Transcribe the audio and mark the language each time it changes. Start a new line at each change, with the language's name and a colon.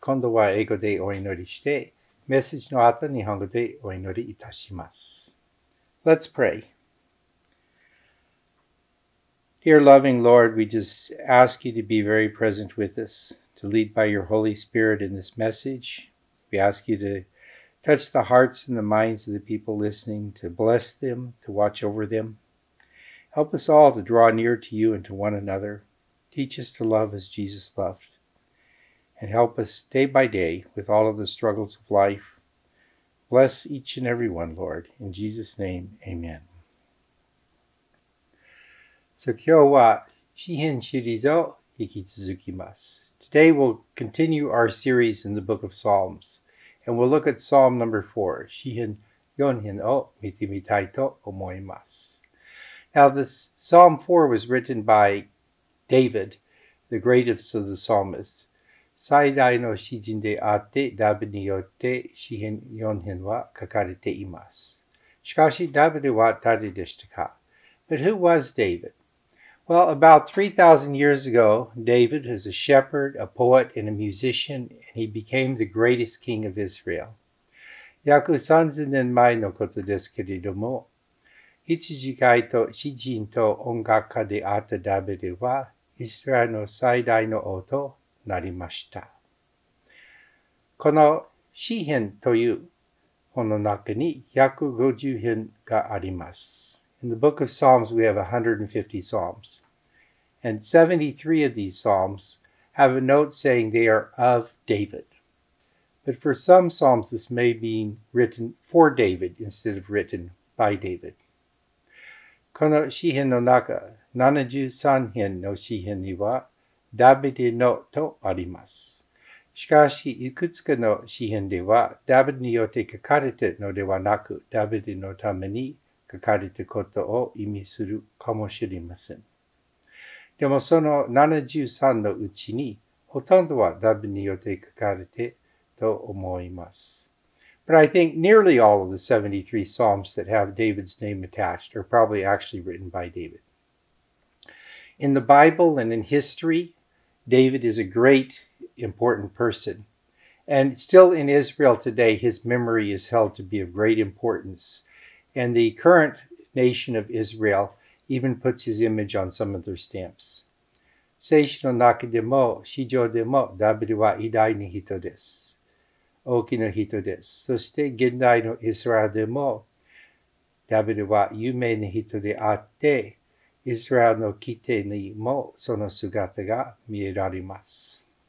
Japanese: 今度は英語でお祈りして、メッセージの後日本語でお祈りいたします。
English: Let's pray. Dear loving Lord, we just ask you to be very present with us, to lead by your Holy Spirit in this message. We ask you to touch the hearts and the minds of the people listening, to bless them, to watch over them. Help us all to draw near to you and to one another. Teach us to love as Jesus loved. And help us day by day with all of the struggles of life. Bless each and every one, Lord. In Jesus' name, amen.
Japanese: So, 今日は詩編シリーズを引き続きます。
English: Today, we'll continue our series in the book of Psalms. And we'll look at Psalm number 4,
Japanese: 詩編四編を見てみたいと思います。
English: Now, this Psalm 4 was written by David, the greatest of the psalmists.
Japanese: 最大の詩人であって、ダビデによって詩編四編は書かれています。しかし、ダビデは誰でしたか?
English: But who was David? Well, about 3,000 years ago, David was a shepherd, a poet, and a musician, and he became the greatest king of Israel.
Japanese: 約三千年前のことですけれども、羊飼いと詩人と音楽家であったダビデは、イスラエルの最大の王となりました。この詩編という本の中に約50編があります。
English: In the book of Psalms, we have 150 Psalms. And 73 of these Psalms have a note saying they are of David. But for some Psalms, this may be written for David instead of written by David.
Japanese: この詩編の中、73編の詩編には、ダビデのとあります。しかし、いくつかの詩編では、ダビデによって書かれてのではなく、ダビデのために、書かれたことを意味するかもしれません。でもその73のうちにほとんどはダビデによって書かれてと思います。
English: But I think nearly all of the 73 Psalms that have David's name attached are probably actually written by David. In the Bible and in history, David is a great important person. And still in Israel today, his memory is held to be of great importance. And the current nation of Israel even puts his image on some of their stamps.
Japanese: 聖書の中でも、史上でも、ダビデは偉大な人です。大きな人です。そして、現代のイスラエルでも、ダビデは有名な人であって、イスラエルの規定にもその姿が見えられます。